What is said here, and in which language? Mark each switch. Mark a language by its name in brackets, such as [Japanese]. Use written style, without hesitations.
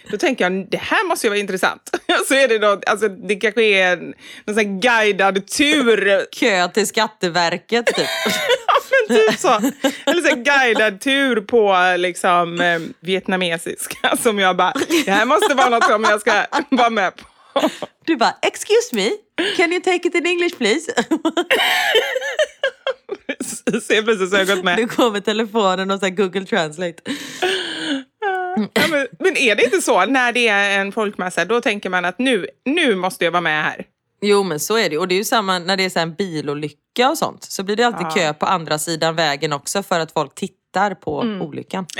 [Swedish] Då tänker jag, det här måste ju vara intressant. Så är det då, alltså det kanske är en sån här guidad tur. Kö till Skatteverket, typ. Typ så. Eller så en guidad tur på liksom vietnamesiska som jag bara, det här måste vara något som jag ska vara med på. Du bara, [English] excuse me, can you take it in English please? [Swedish] Se precis så jag gått med. Du kommer telefonen och så Google Translate. Ja, men är det inte så när det är en folkmassa, då tänker man att nu måste jag vara med här. Jo, men så är det. Och det är ju samma när det är så här en bilolycka och sånt. Så blir det alltid kö på andra sidan vägen också för att folk tittar på olyckan.